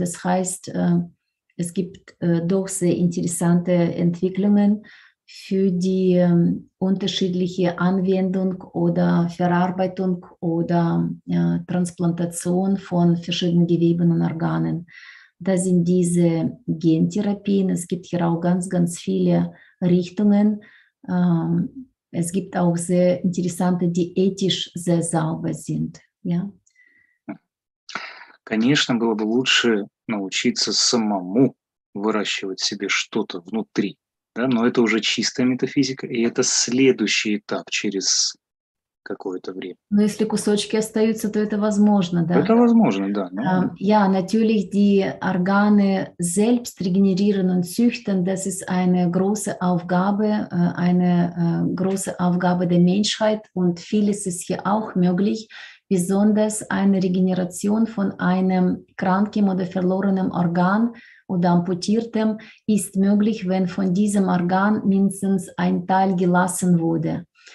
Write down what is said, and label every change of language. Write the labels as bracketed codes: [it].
[de] Das heißt, es gibt doch sehr interessante Entwicklungen für die unterschiedliche Anwendung oder Verarbeitung oder Transplantation von verschiedenen Geweben und Organen. Das sind diese Gentherapien. Es gibt hier auch ganz, ganz viele Richtungen. Es gibt auch sehr interessante, die ethisch sehr sauber sind. Ja? [ru] Конечно, было бы лучше научиться самому выращивать себе что-то внутри. Да, но это уже чистая метафизика, и это следующий этап через какое-то время. Но если кусочки остаются, то это возможно, да? Это возможно, да. Но... [de] Ja, natürlich die Organe selbst regenerieren und züchten, das ist eine große Aufgabe der Menschheit und vieles ist hier auch möglich, besonders eine Regeneration von einem kranken oder verlorenen Organ oder amputiertem, ist möglich, wenn von diesem Organ mindestens ein Teil gelassen wurde.